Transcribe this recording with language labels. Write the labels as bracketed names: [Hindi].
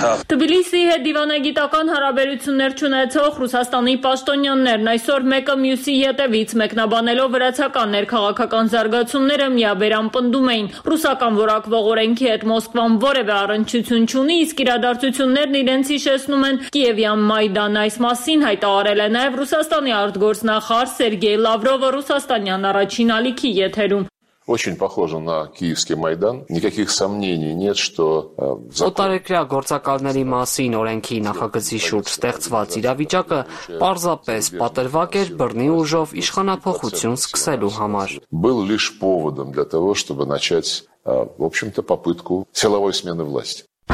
[Armenian] Թբիլիսի հետ դիվանագիտական հարաբերություններ ունեցող ռուսաստանի պաշտոնյաններն այսօր մեկը մյուսի հետևից մեկնաբանելով վրացական ներքաղաքական զարգացումները միաբերան պնդում էին ռուսական որակվող օրենքի հետ Մոսկվան որևէ առնչություն չունի, իսկ իրադարձություններն իրենց հիշեցնում են Կիևյան Մայդան։ Այս մասին հայտարարել է նաև ռուսաստանի արտգործնախարար Սերգեյ Լավրովը ռուսաստանյան առաջին ալիքի եթերում։ [Russian] Очень похоже на Киевский Майдан. Никаких сомнений нет, что [Armenian] Օտարերկրյա գործակալների մասին օրենքի նախագծի շուրջ ստեղծված իրավիճակը պարզապես պատրվակ էր բռնի ուժով իշխանափոխություն սկսելու համար։ [Russian] Был лишь поводом для того, чтобы начать, в общем-то, попытку силовой смены власти.